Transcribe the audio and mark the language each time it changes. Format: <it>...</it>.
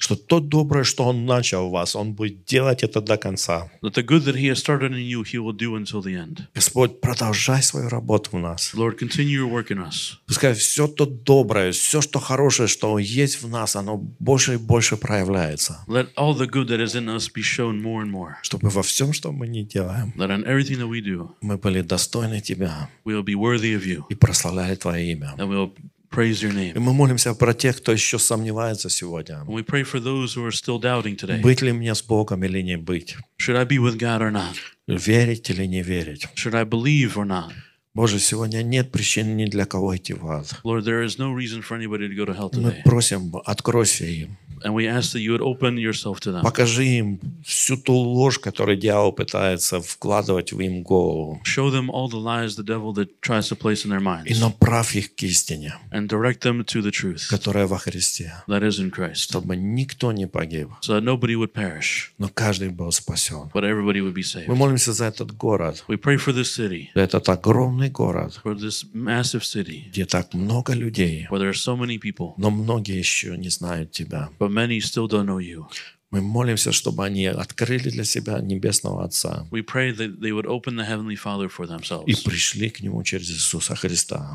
<ru>Что то доброе, что Он начал в вас, Он будет делать это до конца.</ru> <en>That the good that He has started in you, He will do until the end.</en> <ru>Господь, продолжай свою работу в нас.</ru> <en>Lord, continue your work in us.</en> <ru>Пускай все то доброе, все, что хорошее, что есть в нас, оно больше и больше проявляется.</ru> <en>Let all the good that is in us be shown more and more.</en> <ru>Чтобы во всем, что мы не делаем,</ru> <en>that in everything that we do,</en> <ru>мы были достойны Тебя.</ru> <en>We will be worthy of you.</en> <ru>И прославляем Твое имя.</ru> <en>And we'll praise your name.</en> <ru>И мы молимся про тех, кто еще сомневается сегодня.</ru> <en>And we pray for those who are still doubting today.</en> <ru>Быть ли мне с Богом или не быть?</ru> <en>Should I be with God or not?</en> <ru>Верить или не верить?</ru> <en>Should I believe or not?</en> <ru>Боже, сегодня нет причин ни для кого идти в ад.</ru> <en>Lord, there is no reason for anybody to go to hell today.</en> <ru>Мы просим, откройся им.</ru> <en>And we ask that you would open yourself to them.</en> <ru>Покажи им всю ту ложь, которую дьявол пытается вкладывать в им голову.</ru> <en>Show them all the lies the devil that tries to place in their minds.</en> <ru>И направь их к истине.</ru> <en>And direct them to the truth.</en> <ru>Которая во Христе.</ru> <en>That is in Christ.</en> <ru>Чтобы никто не погиб.</ru> <en>So that nobody would perish.</en> <ru>Но каждый был спасен.</ru> <en>But everybody would be saved.</en> <ru>Мы молимся за этот город.</ru> <en>We pray for this city.</en> <ru>За этот огромный город.</ru> <en>For this massive city.</en> <ru>Где так много людей.</ru> <en>Where there are so many people.</en> <ru>Но многие еще не знают Тебя.</ru> <en>But many still don't know you.</en> <ru>Мы молимся, чтобы они открыли для себя Небесного Отца.</ru> <en>We pray that they would open the Heavenly Father for themselves.</en> <ru>И пришли к Нему через Иисуса Христа.</ru>